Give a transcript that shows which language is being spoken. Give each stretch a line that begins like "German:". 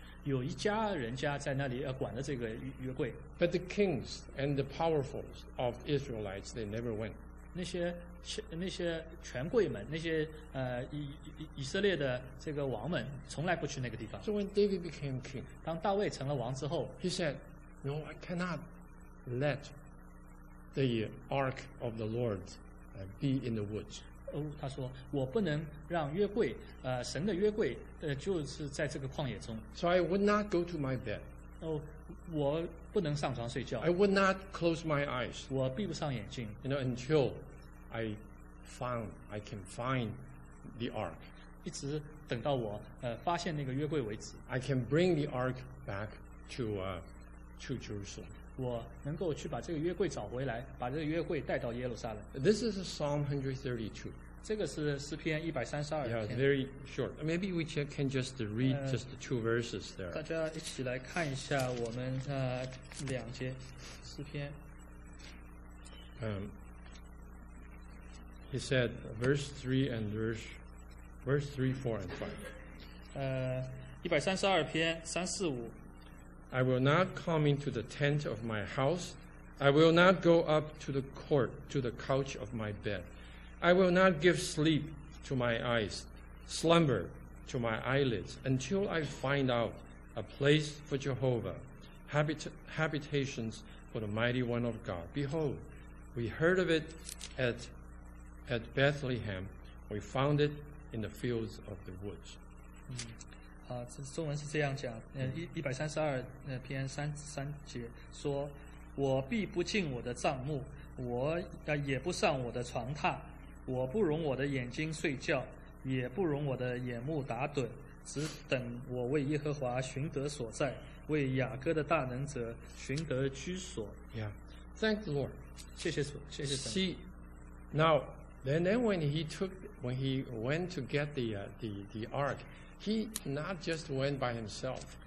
Chinese: 有一家人家在那里管着这个约柜。
English: But the kings and the powerful of Israelites, they never went.
Chinese: 那些权贵们，那些以色列的这个王们，从来不去那个地方。
English: So when David became king,
Chinese: 当大卫成了王之后
English: ，He said, "No, I cannot let the ark of the Lord be in the woods."
Chinese: 他说，我不能让约柜，神的约柜。就是在这个旷野中。
English: So I would not go to my bed.
Chinese: 我不能上床睡觉。
English: I would not close my eyes.
Chinese: 我闭不上眼睛。
English: You know, until I can find the ark.
Chinese: 一直等到我发现那个约柜为止。
English: I can bring the ark back to Jerusalem.
Chinese: 我能够去把这个约柜找回来，把这个约柜带到耶路撒冷。
English: This is Psalm 132.
Chinese: 这个是诗篇一百三十二篇。
English: Yeah, very short. Maybe we can just read just the two verses there.
Chinese: 大家一起来看一下我们两节诗篇。
English: He said verse 3 and verse 3, 4 and 5.
Chinese: 一百三十二篇三四五。
English: I will not come into the tent of my house. I will not go up to the court to the couch of my bed. I will not give sleep to my eyes, slumber to my eyelids, until I find out a place for Jehovah, habitations for the mighty one of God. Behold, we heard of it at Bethlehem. We found it in the fields of the woods.
Chinese: 这中文是这样讲，132篇三节说，我必不进我的帐幕，我也不上我的床榻。我不容我的眼睛睡觉，也不容我的眼目打盹，只等我为耶和华寻得所在，为雅各的大能者寻得居所。
English: Yeah, thank the Lord.
Chinese: 谢谢主，谢谢神。
English: See, now, then when he went to get the ark, he not just went by himself.